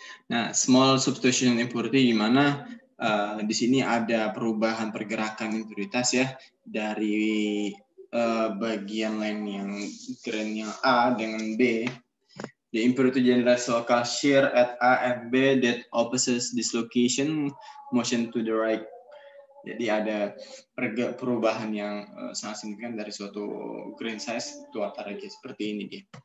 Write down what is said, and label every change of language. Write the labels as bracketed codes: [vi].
[id] Nah, [en] small substitution impurity [id] gimana? Di sini ada perubahan pergerakan impuritas ya dari bagian lain yang grain yang A dengan B. [en] The impurity generates local shear at A and B that opposes dislocation motion to the right. [id] Jadi ada perubahan yang sangat signifikan dari suatu grain size to water lagi seperti ini dia.